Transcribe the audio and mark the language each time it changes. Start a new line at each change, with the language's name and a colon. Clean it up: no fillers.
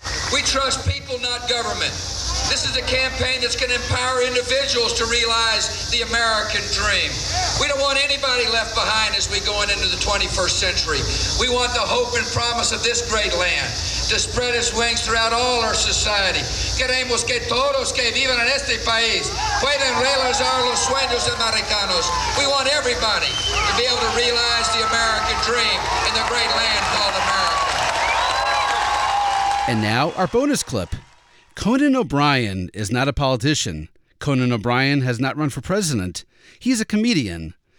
English: We trust people, not government. This is a campaign that's going to empower individuals to realize the American dream. We don't want anybody left behind as we go into the 21st century. We want the hope and promise of this great land to spread its wings throughout all our society.
Spanish: Queremos que todos que viven en este país puedan realizar los sueños americanos.
English: We want everybody to be able to realize the American dream in the great land called America. And now our bonus clip. Conan O'Brien is not a politician. Conan O'Brien has not run for president. He's a comedian.